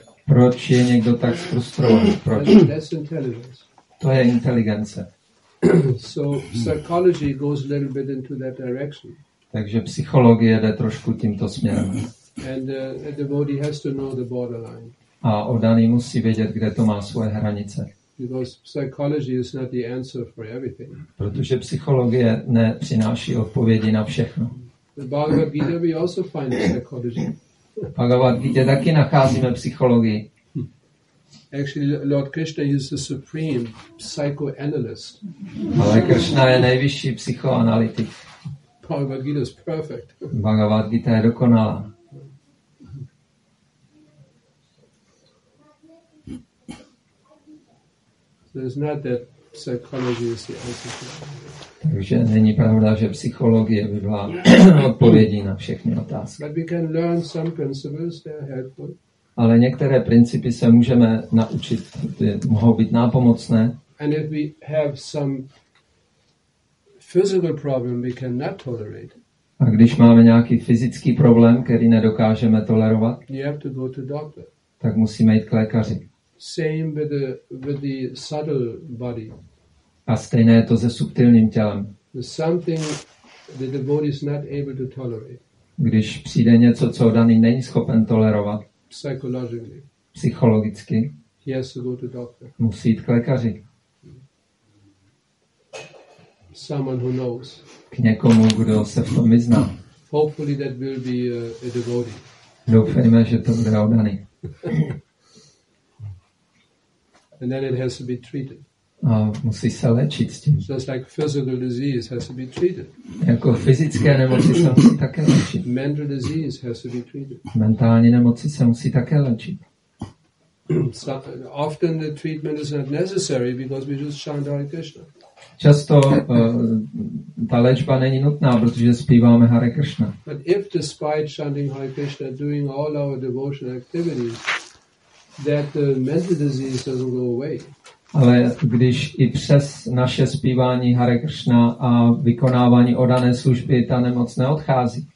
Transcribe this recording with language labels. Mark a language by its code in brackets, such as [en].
[cs] Proč je někdo tak frustrovaný? Proč? [en] That's intelligence. [cs] To je inteligence. [en] So psychology goes a little bit into that direction. [cs] Takže psychologie jde trošku tímto směrem. [en] And the devotee has to know the borderline. [cs] A oddaný musí vědět, kde to má svoje hranice. [en] Because psychology is not the answer for everything. [cs] Protože psychologie nepřináší odpovědi na všechno. [en] The Bhagavad Gita we also find the psychology. [cs] Bhagavad Gita taky nacházíme psychologii. [en] Actually, Lord Krishna is the supreme psychoanalyst. [cs] Ale Krishna je nejvyšší psychoanalytik. [en] Bhagavad Gita is perfect. [cs] Bhagavad Gita je dokonalá. [en] There's not that psychology is the answer. [cs] Takže není pravda, že psychologie by byla odpovědí na všechny otázky. [en] But we can learn some principles, they are helpful. [cs] Ale některé principy se můžeme naučit, ty mohou být nápomocné. [en] And if we have some physical problem, we cannot tolerate. [cs] A když máme nějaký fyzický problém, který nedokážeme tolerovat, [en] you have to go to doctor. [cs] Tak musíme jít k lékaři. [en] Same with the subtle body. [cs] A stejné je to se subtilním tělem. [en] Something that the body is not able to tolerate. [cs] Když přijde něco, co daný není schopen tolerovat, psychologicky. Psychologicky. [en] He has to go to doctor. [cs] Musí jít k lékaři. [en] Someone who knows. [cs] K někomu, kdo se v tom vyzná. [en] Hopefully that will be a devotee. [cs] Doufejme, že to bude oddaný. [en] And then it has to be treated. [cs] A musí se léčit s tím. [en] Just like physical disease has to be treated. [cs] Jako fyzické nemoci se musí také léčit. [en] Mental disease has to be treated. [cs] Mentální nemoci se musí také léčit. [en] So, often the treatment is not necessary because we just chant Hare Krishna. [cs] Často ta léčba není nutná, protože zpíváme Hare Krishna. [en] But if despite chanting Hare Krishna, doing all our devotional activities, that the mental disease doesn't go away. [cs] Ale když i přes naše zpívání Hare Krishna a vykonávání oddané služby ta nemoc neodchází,